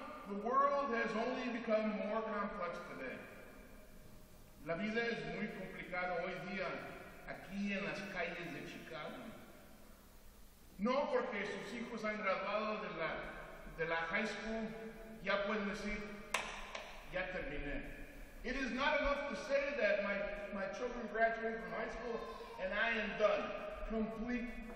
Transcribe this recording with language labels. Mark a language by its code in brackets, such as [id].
[en] The world has only become more complex today. [es] La vida es muy complicada hoy día aquí en las calles de Chicago. No porque sus hijos han graduado de la [en] high school, [es] ya pueden decir, ya terminé. [en] It is not enough to say that my children graduated from high school and I am done.